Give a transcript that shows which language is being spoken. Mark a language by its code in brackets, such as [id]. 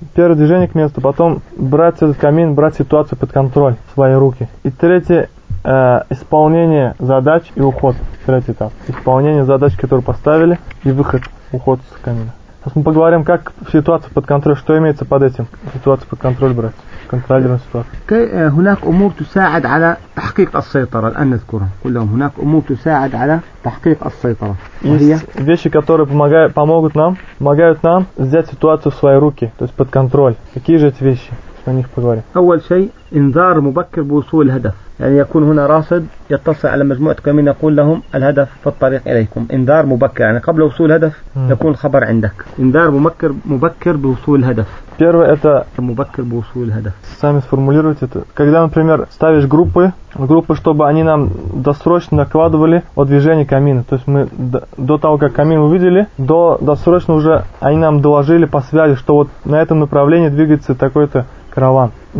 [ru] Первое движение к месту, потом брать этот камин, брать ситуацию под контроль в свои руки. И третье исполнение задач и уход. Третий этап. Исполнение задач, которые поставили, и выход, уход с камина. Сейчас мы поговорим, как в ситуации под контроль, что имеется под этим. Ситуацию под контроль брать, контролировать ситуацию. [ar] هناك أمور تساعد على تحقيق السيطرة. الآن نذكرها كلهم. هناك أمور تساعد على تحقيق السيطرة. [ru] Есть вещи, которые помогают нам взять ситуацию в свои руки, то есть под контроль. Какие же эти вещи? О них поговорим. [ar] أول شيء إنذار مبكر بوصول الهدف. يعني يكون هنا راصد يتصل على مجموعة كمين يقول لهم الهدف في الطريق إليكم إنذار مبكر يعني قبل وصول الهدف يكون الخبر عندك إنذار مبكر بوصول الهدف. [ru] Первое это [ar] مبكر بوصول الهدف. [ru] Сами сформулируйте это. Когда, например, ставишь группы, чтобы они нам досрочно докладывали о движении камина. То есть мы до того, как камин увидели, досрочно уже они нам доложили по связи, что вот на этом направлении двигается такой-то караван.